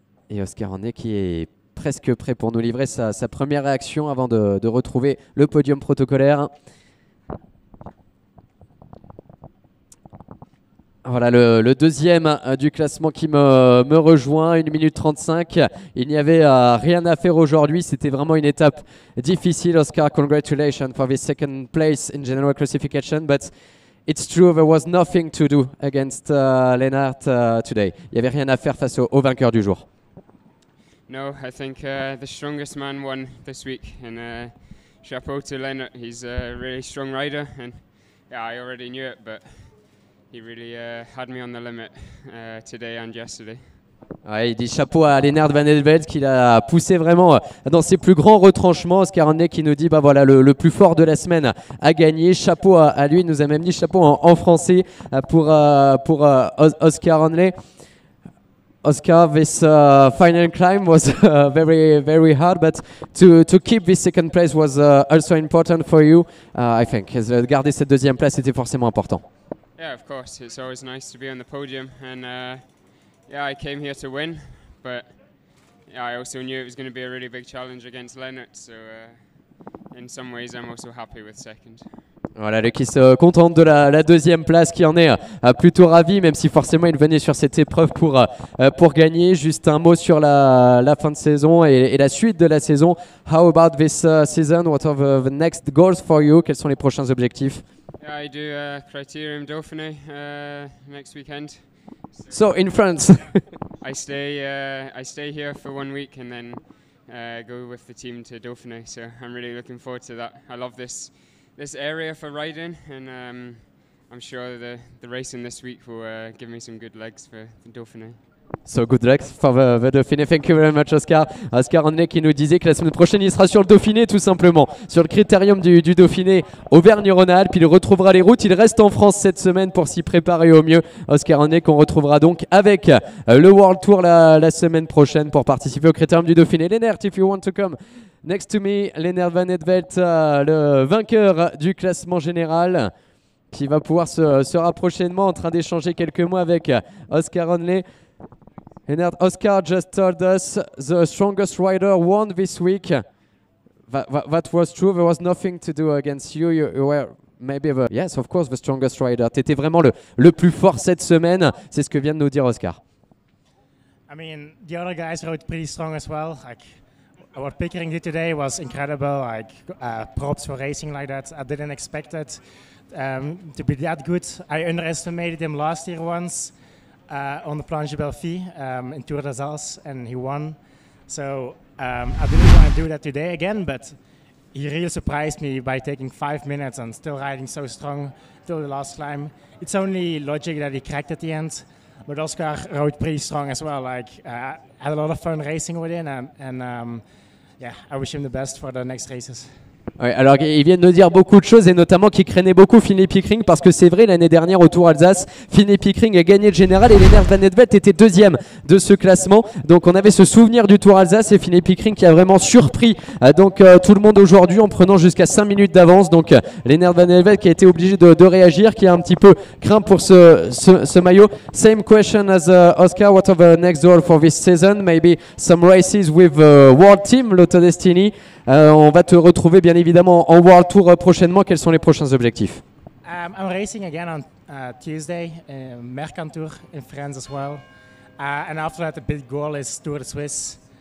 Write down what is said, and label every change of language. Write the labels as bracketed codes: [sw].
[fr] Et Oscar Honnelay qui est presque prêt pour nous livrer sa première réaction avant de retrouver le podium protocolaire. Voilà le deuxième du classement qui me rejoint, 1 minute 35. Il n'y avait rien à faire aujourd'hui, c'était vraiment une étape difficile. [en] Oscar, congratulations for this second place in general classification, but it's true there was nothing to do against Lennart today. [fr] Il n'y avait rien à faire face au vainqueur du jour. [en] No, I think the strongest man won this week, and chapeau to Lennart, he's a really strong rider, and yeah, I already knew it, but he really had me on the limit today and yesterday. [fr] Ouais, il dit chapeau à Lennart Van Helvede qui l'a poussé vraiment dans ses plus grands retranchements. Oscar Anne qui nous dit bah voilà, le plus fort de la semaine a gagné. Chapeau à lui, il nous a même dit chapeau en français pour Oscar Anne. [en] Oscar, this final climb was very, very hard, but to keep this second place was also important for you, I think. [fr] Garder cette deuxième place était forcément important. [en] Yeah, of course. It's always nice to be on the podium, and yeah, I came here to win, but yeah, I also knew it was going to be a really big challenge against Lennart. So in some ways, I'm also happy with second. [fr] Voilà, lui qui se contente de la deuxième place, qui en est plutôt ravi, même si forcément il venait sur cette épreuve pour gagner. Juste un mot sur la fin de saison et la suite de la saison. [en] How about this season? What are the next goals for you? [fr] Quels sont les prochains objectifs? [en] Yeah, I do Criterium Dauphiné next weekend. So in France. I stay here for 1 week and then go with the team to Dauphiné. So I'm really looking forward to that. I love this area for riding, and I'm sure the racing this week will give me some good legs for the Dauphiné. So good legs for the Dauphiné. Thank you very much, Oscar. [fr] Oscar Anne qui nous disait que la semaine prochaine, il sera sur le Dauphiné, tout simplement. Sur le critérium du Dauphiné, Auvergne-Rhône-Alpes. Il retrouvera les routes. Il reste en France cette semaine pour s'y préparer au mieux. Oscar Anne qu'on retrouvera donc avec le World Tour la semaine prochaine pour participer au critérium du Dauphiné. Lennart, [en] if you want to come. [fr] Next to me, Lennart Van Helvede, le vainqueur du classement général, qui va pouvoir se rapprocher de moi en train d'échanger quelques mots avec Oscar Anne. [en] Lennart, Oscar just told us the strongest rider won this week. That was true. There was nothing to do against you. You were maybe the yes, of course, the strongest rider. [fr] Tu étais vraiment le plus fort cette semaine. C'est ce que vient de nous dire Oscar. [en] I mean, the other guys rode pretty strong as well. Like what Pickering did today was incredible. Like props for racing like that. I didn't expect it to be that good. I underestimated him last year once. On the Planche Belfi in Tour d'Alsace, and he won. So I didn't want to do that today again, but he really surprised me by taking 5 minutes and still riding so strong till the last climb. It's only logic that he cracked at the end, but Oscar rode pretty strong as well. Like I had a lot of fun racing with him, and I wish him the best for the next races. [fr] Ouais, alors il vient de nous dire beaucoup de choses et notamment qu'il craignait beaucoup Finley Pickering parce que c'est vrai l'année dernière au Tour Alsace Finley Pickering a gagné le général et Lennart Van Helvede était deuxième de ce classement, donc on avait ce souvenir du Tour Alsace et Finley Pickering qui a vraiment surpris tout le monde aujourd'hui en prenant jusqu'à 5 minutes d'avance, donc Lennart Van Helvede qui a été obligé de réagir, qui a un petit peu craint pour ce maillot. [en] Same question as Oscar, what are the next goal for this season? Maybe some races with World Team Lotto Destiny. [fr] On va te retrouver bien évidemment en World Tour prochainement. Quels sont les prochains objectifs? [en] I'm racing again on Tuesday, Mercantour in France as well. And after that, the big goal is Tour de Suisse.